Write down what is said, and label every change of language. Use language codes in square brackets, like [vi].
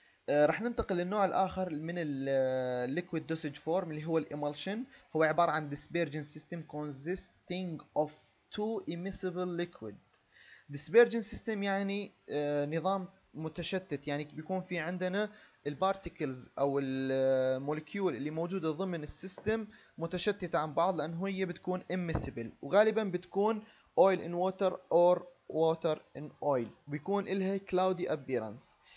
[ar] رح ننتقل للنوع الاخر من الليكويد دوسج فورم اللي هو الامولشن. هو عبارة عن [en] dispersion system consisting of two immiscible liquid. [ar] dispersion system يعني نظام متشتت، يعني بيكون في عندنا البارتيكلز او المولكيول اللي موجوده ضمن السيستم متشتته عن بعض لانه هي بتكون اميسيبل وغالبا بتكون اويل ان ووتر اور ووتر ان اويل، بيكون لها كلاودي ابييرنس.